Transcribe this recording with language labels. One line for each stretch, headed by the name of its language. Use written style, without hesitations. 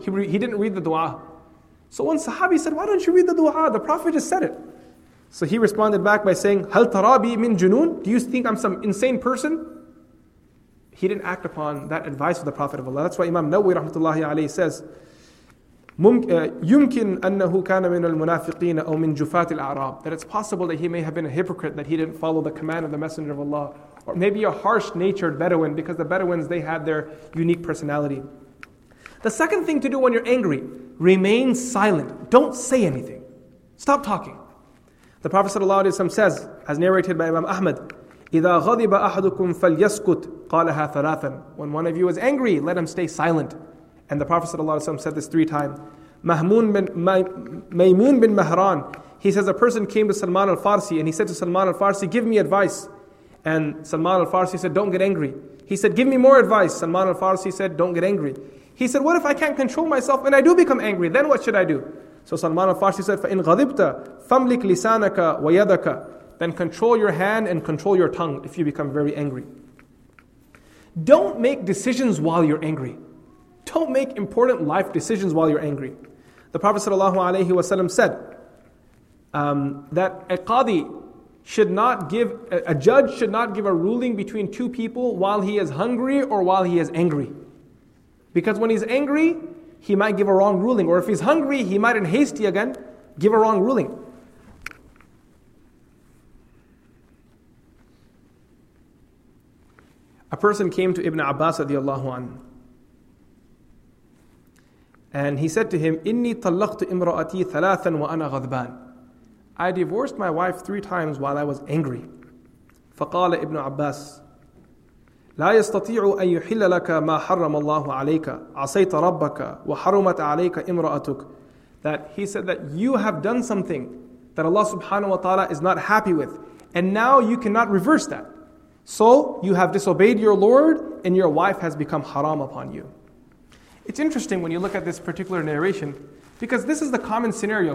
English: He didn't read the dua. So one sahabi said, why don't you read the dua? The Prophet just said it. So he responded back by saying,
Arabic: Hal tarabi min junoon?
English: Do you think I'm some insane person? He didn't act upon that advice of the Prophet of Allah. That's why Imam Nawawi rahmatullahi alayhi says,
Arabic: يمكن أنه كان من المنافقين أو من جفاة الأعراب.
English: That it's possible that he may have been a hypocrite, that he didn't follow the command of the Messenger of Allah. Or maybe a harsh-natured Bedouin, because the Bedouins, they had their unique personality. The second thing to do when you're angry, remain silent. Don't say anything. Stop talking. The Prophet ﷺ says, as narrated by Imam Ahmad,
Arabic: إِذَا غَضِبَ أَحَدُكُمْ فَلْيَسْكُتْ قَالَهَا ثَلَاثًا.
English: When one of you is angry, let him stay silent. And the Prophet ﷺ said this three times. Maymun bin Mahran, he says, a person came to Salman al-Farsi and he said to Salman al-Farsi, give me advice. And Salman al-Farsi said, don't get angry. He said, give me more advice. Salman al-Farsi said, don't get angry. He said, what if I can't control myself and I do become angry? Then what should I do? So Salman al-Farsi said,
Arabic: فَإِنْ غَضِبْتَ فَمْلِكْ لِسَانَكَ وَيَدَكَ.
English: Then control your hand and control your tongue if you become very angry. Don't make decisions while you're angry. Don't make important life decisions while you're angry. The Prophet ﷺ said that a qadi should not give, a judge should not give a ruling between two people while he is hungry or while he is angry. Because when he's angry, he might give a wrong ruling. Or if he's hungry, he might in hasty again give a wrong ruling. A person came to Ibn Abbas radiallahu anhu. And he said to him,
Arabic: إِنِّي طَلَّقْتُ إِمْرَأَتِي ثَلَاثًا وَأَنَا غَضْبَانٍ.
English: I divorced my wife three times while I was angry.
Arabic: فَقَالَ Ibn Abbas, لَا يَسْتَطِيعُ أَن يُحِلَّ لَكَ مَا حَرَّمَ اللَّهُ عَلَيْكَ عَصَيْتَ رَبَّكَ وَحَرُمَتْ عَلَيْكَ إِمْرَأَتُكَ.
English: That he said that you have done something that Allah subhanahu wa ta'ala is not happy with, and now you cannot reverse that. So you have disobeyed your Lord and your wife has become haram upon you. It's interesting when you look at this particular narration, because this is the common scenario.